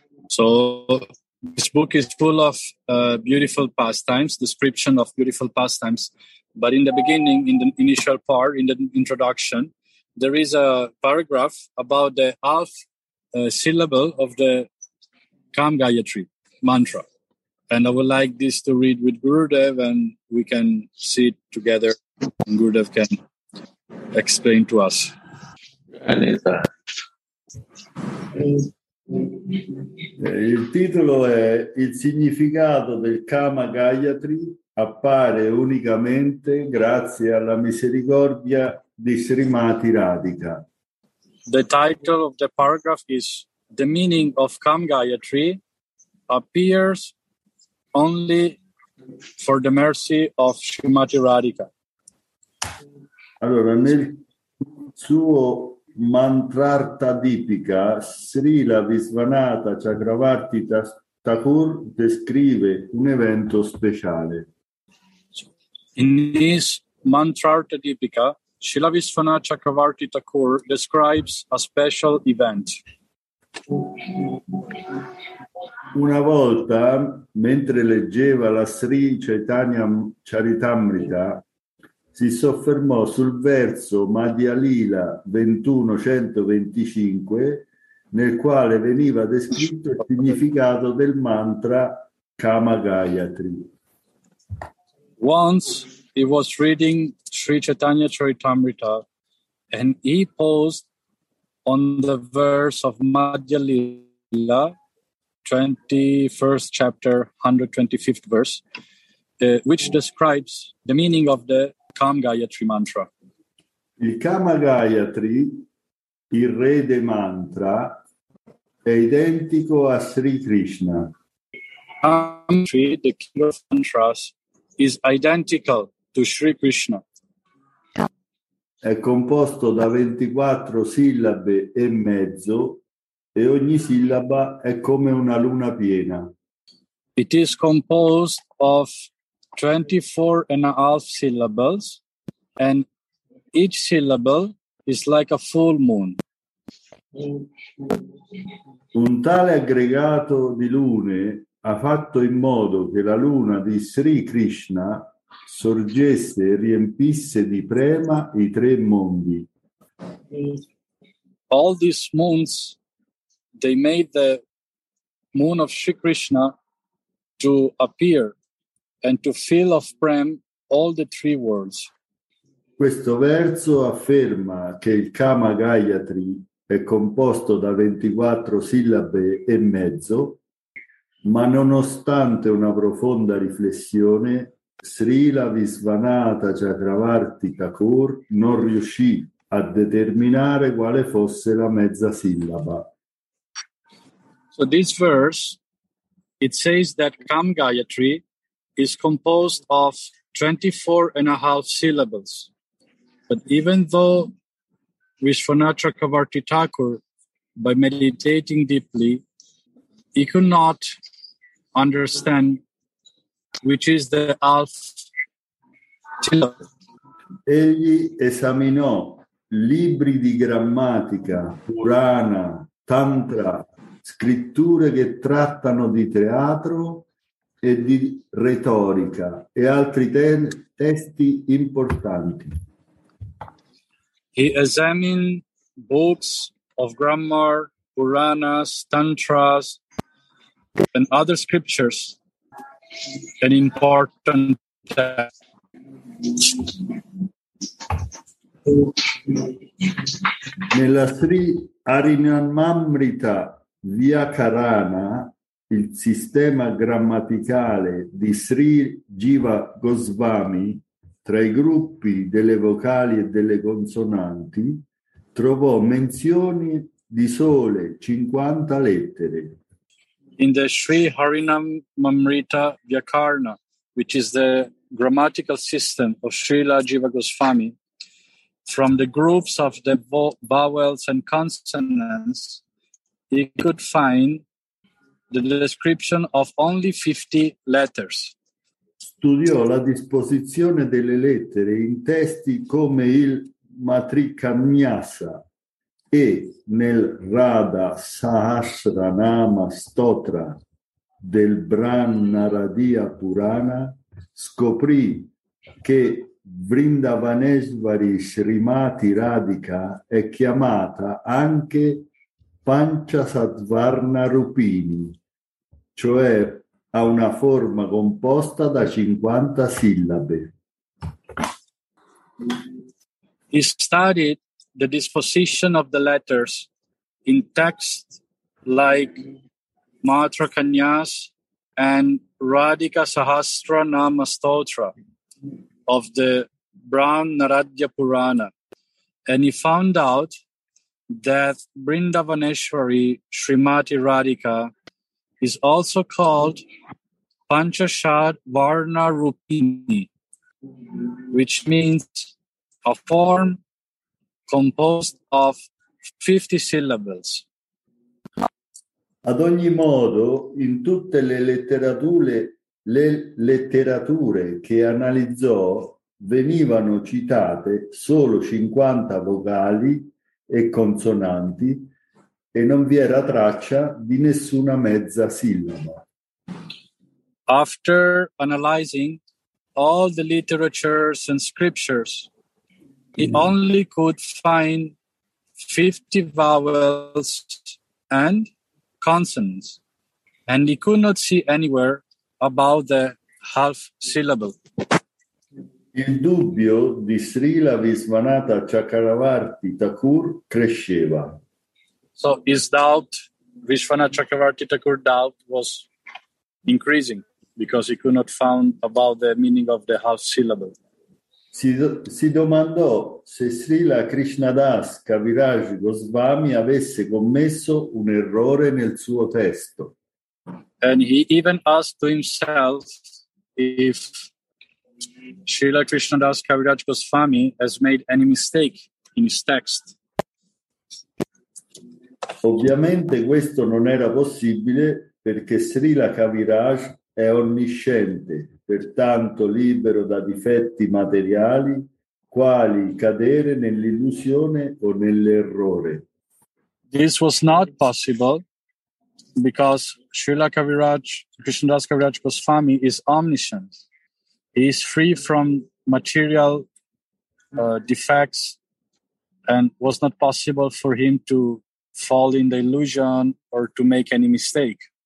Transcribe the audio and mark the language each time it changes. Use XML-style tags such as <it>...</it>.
<en>So this book is full of beautiful pastimes, description of beautiful pastimes, but in the beginning, in the initial part, in the introduction, there is a paragraph about the half syllable of the Kam Gayatri mantra. And I would like this to read with Gurudev, and we can sit together and Gurudev can explain to us. Anita.</en> <it>Il titolo è Il significato del Kama Gayatri appare unicamente grazie alla misericordia di Srimati Radhika.</it> <en>The title of the paragraph is The meaning of Kam Gayatri appears only for the mercy of Srimati Radhika.</en> <it>Allora, nel suo mantrarta tipica, Srila Visvanatha Chakravarti Thakur descrive un evento speciale.</it> <en>In his mantrarta tipica, Srila Visvanatha Chakravarti Thakur describes a special event.</en> <it>Una volta, mentre leggeva la Sri Chaitanya Charitamrita, si soffermò sul verso Madhya Lila 21.125, nel quale veniva descritto il significato del mantra Kama Gayatri.</it> <en>Once he was reading Sri Chaitanya Charitamrita and he paused on the verse of Madhya Lila, 21st chapter, 125th verse, which describes the meaning of the Kam Gayatri mantra.</en> <it>Il Kama Gayatri, il re dei mantra, è identico a Sri Krishna.</it> <en>Gayatri, the king of mantras, is identical to Sri Krishna.</en> <it>È composto da 24 sillabe e mezzo e ogni sillaba è come una luna piena.</it> <en>It is composed of 24 and a half syllables, and each syllable is like a full moon.</en> <it>Un tale aggregato di lune ha fatto in modo che la luna di Sri Krishna sorgesse e riempisse di prema i tre mondi.</it> <en>All these moons, they made the moon of Sri Krishna to appear and to fill of prem all the three worlds.</en> <it>Questo verso afferma che il Kama Gayatri è composto da 24 sillabe e mezzo, ma nonostante una profonda riflessione, Srila Visvanatha Chakravarti Thakur non riuscì a determinare quale fosse la mezza sillaba.</it> <en>So this verse, it says that Kam Gayatri is composed of 24 and a half syllables. But even though Visvanatha Chakravarti Thakur, by meditating deeply, he could not understand which is the half syllable.</en> <it>Egli esaminò libri di grammatica, Purana, Tantra, scritture che trattano di teatro e di retorica e altri testi importanti.</it> <en>He examined books of grammar, Puranas, Tantras, and other scriptures and important texts.</en> <it>Nella Sri Harinamrita Vyakarana, il sistema grammaticale di Sri Jiva Goswami, tra i gruppi delle vocali e delle consonanti, trovò menzioni di sole 50 lettere.</it> <en>In the Sri Harinamrita Vyakarana, which is the grammatical system of Srila Jiva Goswami, from the groups of the vowels and consonants, he could find the description of only 50 letters.</en> <it>Studiò la disposizione delle lettere in testi come il Matrikanyasa e nel Radha Sahasranama Stotra del Bran Naradiya Purana, scoprì che Vrindavanesvari Srimati Radhika è chiamata anche Panchasatvarna Rupini, cioè ha una forma composta da 50 sillabe.</it> <en>He studied the disposition of the letters in texts like Matrikanyas and Radhika Sahasra Nama Stotra of the Brahma Naradya Purana, and he found out that Vrindavaneshwari Srimati Radhika is also called Panchashad Varna Rupini, which means a form composed of 50 syllables.</en> <it>Ad ogni modo, in tutte le letterature che analizzò venivano citate solo 50 vocali e consonanti e non vi era traccia di nessuna mezza sillaba.</it> <en>After analyzing all the literatures and scriptures, he only could find 50 vowels and consonants, and he could not see anywhere about the half syllable.</en> <it>Il dubbio di Srila Visvanatha Chakravarti Thakur cresceva.</it> <en>So his doubt, Visvanatha Chakravarti Thakur doubt, was increasing because he could not find about the meaning of the half syllable.</en> <it>Si domandò se Srila Krishnadas Kaviraj Goswami avesse commesso un errore nel suo testo.</it> <en>And he even asked to himself if Srila Krishnadas Kaviraj Goswami has made any mistake in his text.</en> <it>Ovviamente questo non era possibile perché Srila Kaviraj è onnisciente, pertanto libero da difetti materiali, quali cadere nell'illusione o nell'errore.</it> <en>This was not possible because Srila Kaviraj, Krishnadas Kaviraj Goswami, is omniscient. He is free from material defects, and was not possible for him to fall in the illusion or to make any mistake.</en>